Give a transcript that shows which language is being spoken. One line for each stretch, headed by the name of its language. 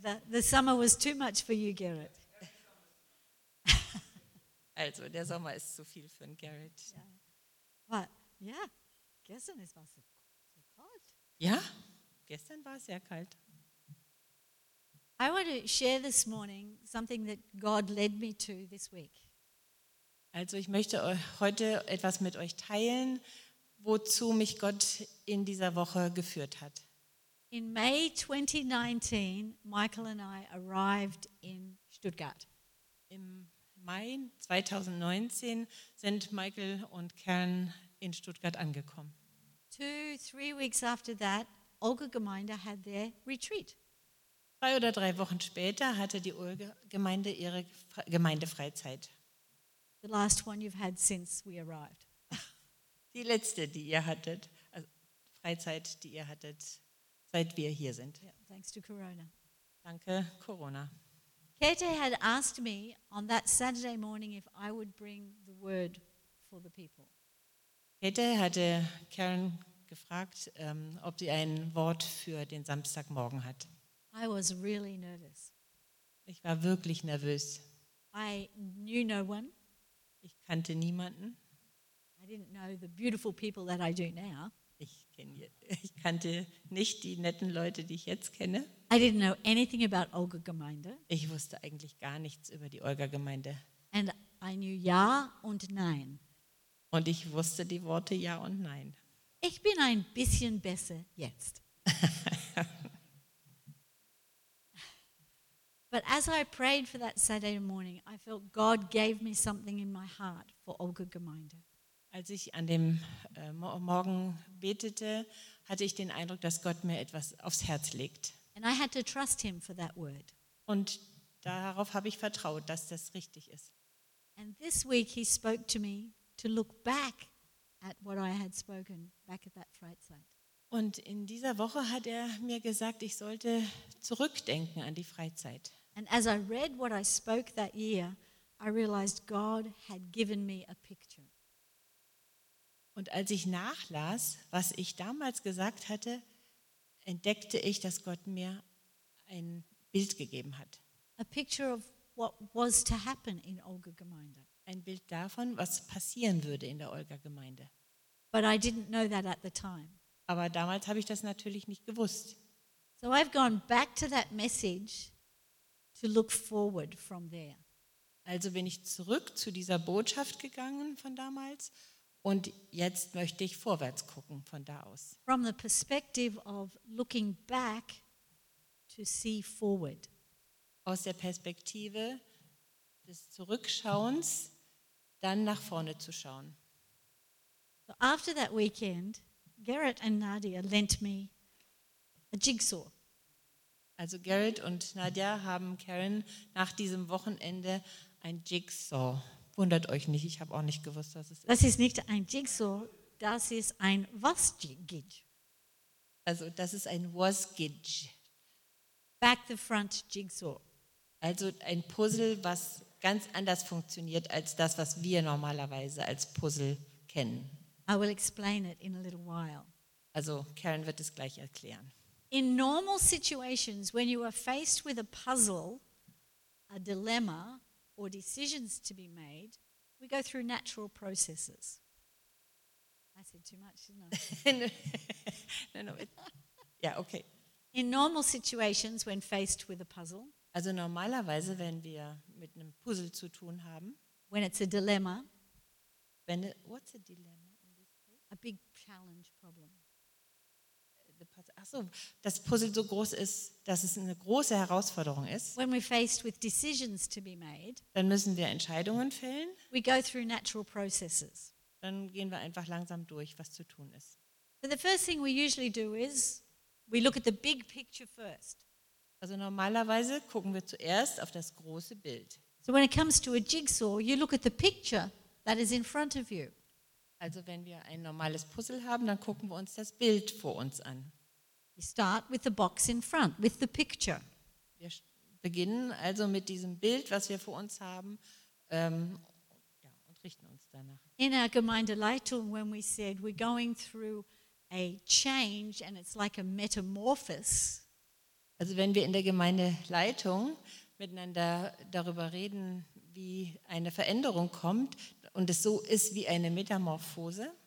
English: The summer was too much for you, Gerrit.
German: Also, der Sommer ist zu viel für Gerrit. Ja, gestern war es so kalt. Ja, gestern war es sehr kalt.
English: I want to share this morning something that God led me to this week.
German: Also ich möchte heute etwas mit euch teilen, wozu mich Gott in dieser Woche geführt hat.
English: In May 2019, Michael and I arrived in Stuttgart.
German: Im Mai 2019 sind Michael und Karen in Stuttgart angekommen.
English: 2-3 weeks after that, Olga Gemeinde had their retreat.
German: 2 oder 3 Wochen später hatte die Gemeinde ihre Gemeindefreizeit.
English: The last one you've had since we arrived.
German: Die letzte, die ihr hattet, also Freizeit, die ihr hattet, seit wir hier sind.
English: Yeah, thanks to Corona.
German: Danke, Corona.
English: Käthe had asked me on that Saturday morning if I would bring the word for the people.
German: Käthe hatte Karen gefragt, ob sie ein Wort für den Samstagmorgen hat.
English: I was really nervous.
German: Ich war wirklich nervös.
English: I knew no one.
German: Ich kannte niemanden.
English: I didn't know the beautiful people that I do now.
German: Ich kannte nicht die netten Leute, die ich jetzt kenne.
English: I didn't know anything about Olga Gemeinde.
German: Ich wusste eigentlich gar nichts über die Olga Gemeinde.
English: And I knew
German: ja und nein. Und ich wusste die Worte ja und nein. Ich bin ein bisschen besser jetzt.
English: But as I prayed for that Saturday morning, I felt God gave me something in my heart for Olga Gemeinde.
German: Als ich an dem Morgen betete, hatte ich den Eindruck, dass Gott mir etwas aufs Herz legt.
English: And I had to trust him for that word.
German: Und darauf habe ich vertraut, dass das richtig ist.
English: And this week he spoke to me to look back at what I had spoken back at that Freizeit.
German: Und in dieser Woche hat er mir gesagt, ich sollte zurückdenken an die Freizeit.
English: And as I read what I spoke that year, I realized God had given me a picture.
German: Und als ich nachlas, was ich damals gesagt hatte, entdeckte ich, dass Gott mir ein Bild gegeben hat.
English: A picture of what was to happen in Olga Gemeinde.
German: Ein Bild davon, was passieren würde in der Olga Gemeinde.
English: But I didn't know that at the time.
German: Aber damals habe ich das natürlich nicht gewusst.
English: So I've gone back to that message to look forward from there.
German: Also bin ich zurück zu dieser Botschaft gegangen von damals. Und jetzt möchte ich vorwärts gucken von da aus.
English: From the perspective of looking back to see forward.
German: Aus der Perspektive des Zurückschauens, dann nach vorne zu schauen.
English: So after that weekend, Gerrit and Nadia lent me a jigsaw.
German: Also Gerrit und Nadia haben Karen nach diesem Wochenende ein Jigsaw. Wundert euch nicht, ich habe auch nicht gewusst, was es ist. Das ist nicht ein Jigsaw, das ist ein Was-Gidge. Also das ist ein Was-Gidge.
English: Back the front Jigsaw.
German: Also ein Puzzle, was ganz anders funktioniert als das, was wir normalerweise als Puzzle kennen.
English: I will explain it in a little while.
German: Also Karen wird es gleich erklären.
English: In normal situations, when you are faced with a puzzle, a dilemma, or decisions to be made, we go through natural processes. I said too much, didn't I? No. Yeah, okay. In normal situations, when faced with a puzzle,
German: also normalerweise, wenn wir mit einem Puzzle zu tun haben,
English: when it's a dilemma, what's a dilemma in this case? A big challenge problem.
German: Achso, das Puzzle so groß ist, dass es eine große Herausforderung ist.
English: When we're faced with decisions to be made,
German: dann müssen wir Entscheidungen fällen.
English: We go through natural processes.
German: Dann gehen wir einfach langsam durch, was zu tun ist.
English: So the first thing we usually do is we look at the big picture first.
German: Also normalerweise gucken wir zuerst auf das große Bild.
English: So when it comes to a jigsaw, you look at the picture that is in front of you.
German: Also wenn wir ein normales Puzzle haben, dann gucken wir uns das Bild vor uns an.
English: We start with the box in front, with the picture.
German: Wir beginnen also mit diesem Bild, was wir vor uns haben, und richten uns danach.
English: In our Gemeindeleitung, when we said we're going through a change and it's like a metamorphosis,
German: Also wenn wir in der Gemeindeleitung miteinander darüber reden, wie eine Veränderung kommt und es so ist wie eine Metamorphose,